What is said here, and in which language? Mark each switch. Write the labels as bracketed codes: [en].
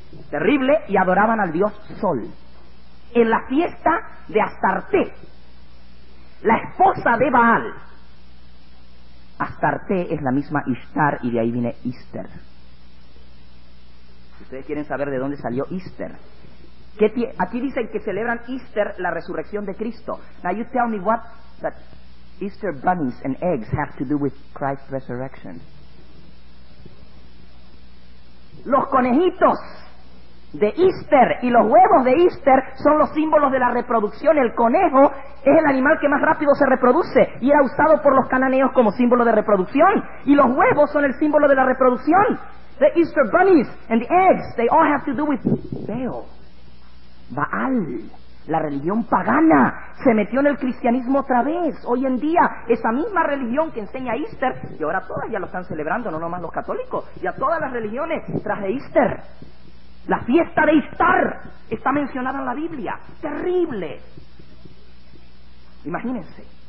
[es] Terrible, y adoraban al dios Sol. En la fiesta de Astarté, la esposa de Baal. Astarté es la misma Ishtar, y de ahí viene Easter. Si ustedes quieren saber de dónde salió Easter. Aquí dicen que celebran Easter, la resurrección de Cristo. [en] Now you tell me what that Easter bunnies and eggs have to do with Christ's resurrection. [es] Los conejitos de Easter y los huevos de Easter son los símbolos de la reproducción. El conejo es el animal que más rápido se reproduce y era usado por los cananeos como símbolo de reproducción. Y los huevos son el símbolo de la reproducción. [en] The Easter bunnies and the eggs, they all have to do with Baal. [es] Baal, la religión pagana, se metió en el cristianismo otra vez. Hoy en día, esa misma religión que enseña Easter, y ahora todas ya lo están celebrando, no nomás los católicos, y a todas las religiones tras de Easter. La fiesta de Ishtar está mencionada en la Biblia. ¡Terrible! Imagínense.